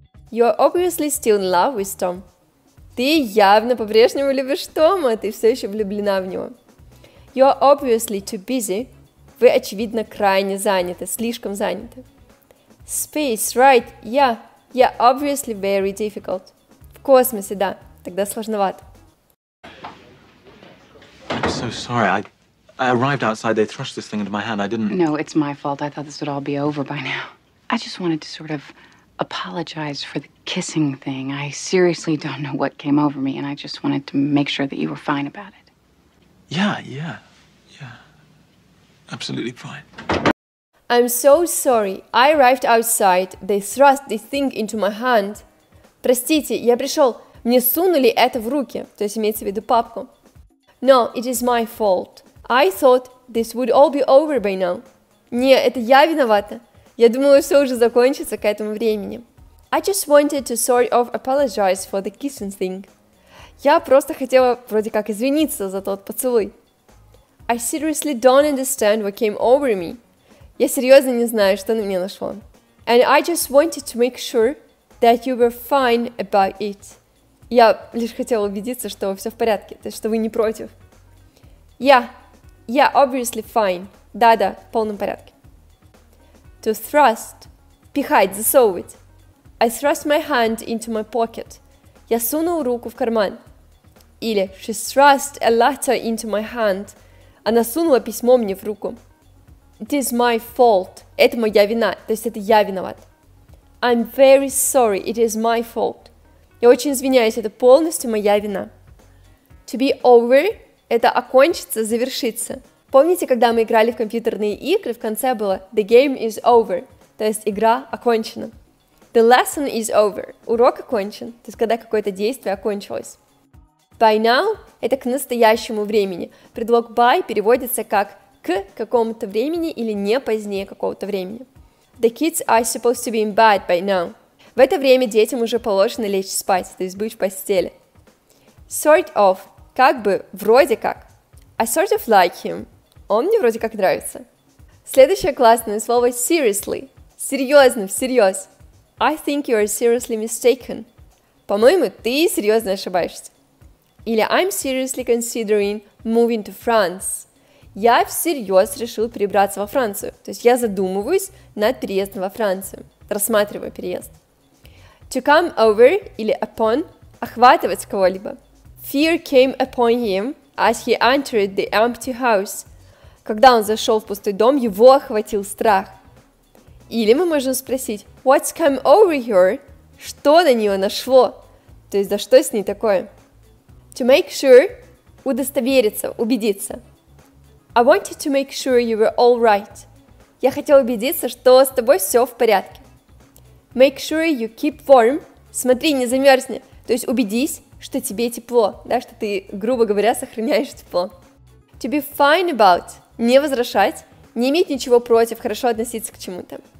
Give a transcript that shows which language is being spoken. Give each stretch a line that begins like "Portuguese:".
English: You are obviously still in love with Tom.
Russian: Ты явно по-прежнему любишь Тома, ты все еще влюблена в него.
English: You are obviously too busy.
Russian: Вы, очевидно, крайне заняты, слишком заняты.
English: Space, right, yeah. Yeah, obviously very difficult.
Russian: В космосе, да. Тогда сложновато.
English: I'm so sorry. I arrived outside. They thrust this thing into my hand. I didn't... No, it's my fault. I thought this would all be over by now. I just wanted to sort of apologize for the kissing thing. I seriously don't know what came over me, and I just wanted to make sure that you were fine about it. Yeah. Absolutely fine. I'm so sorry. I arrived outside. They thrust this thing into my hand.
Russian: Простите, я пришел. Мне сунули это в руки. То есть имеется в виду папку.
English: No, it is my fault. I thought this would all be over by now.
Russian: Не, это я виновата. Я думала, все уже закончится к этому времени.
English: I just wanted to sort of apologize for the kissing thing.
Russian: Я просто хотела вроде как извиниться за тот поцелуй.
English: I seriously don't understand what came over me.
Russian: Я серьезно не знаю, что на меня нашло.
English: And I just wanted to make sure that you were fine about it.
Russian: Я лишь хотела убедиться, что все в порядке, то есть что вы не против.
English: Yeah, Yeah, obviously fine.
Russian: Да-да, в полном порядке.
English: To thrust.
Russian: Пихать, засовывать.
English: I thrust my hand into my pocket.
Russian: Я сунул руку в карман. Или
English: she thrust a letter into my hand.
Russian: Она сунула письмо мне в руку.
English: It is my fault.
Russian: Это моя вина. То есть это я виноват.
English: I'm very sorry. It is my fault.
Russian: Я очень извиняюсь. Это полностью моя вина.
English: To be over.
Russian: Это окончится, завершится. Помните, когда мы играли в компьютерные игры, в конце было
English: the game is over.
Russian: То есть игра окончена.
English: The lesson is over.
Russian: Урок окончен. То есть когда какое-то действие окончилось. By now – это к настоящему времени. Предлог by переводится как к какому-то времени или не позднее какого-то времени.
English: The kids are supposed to be in bed by now.
Russian: В это время детям уже положено лечь спать, то есть быть в постели.
English: Sort of –
Russian: как бы, вроде как.
English: I sort of like him.
Russian: Он мне вроде как нравится. Следующее классное слово – seriously. Серьезно, всерьез.
English: I think you are seriously mistaken.
Russian: По-моему, ты серьезно ошибаешься.
English: Или I'm seriously considering moving to France.
Russian: Я всерьез решил перебраться во Францию. То есть я задумываюсь над переездом во Францию. Рассматриваю переезд.
English: To come over
Russian: или upon. Охватывать кого-либо.
English: Fear came upon him as he entered the empty house.
Russian: Когда он зашел в пустой дом, его охватил страх. Или мы можем спросить
English: What's come over here?
Russian: Что на нее нашло? То есть да что с ней такое?
English: To make sure,
Russian: удостовериться, убедиться.
English: I wanted to make sure you were all right.
Russian: Я хотел убедиться, что с тобой все в порядке.
English: Make sure you keep warm.
Russian: Смотри, не замерзни. То есть убедись, что тебе тепло, да, что ты, грубо говоря, сохраняешь тепло.
English: To be fine about,
Russian: не возражать, не иметь ничего против, хорошо относиться к чему-то.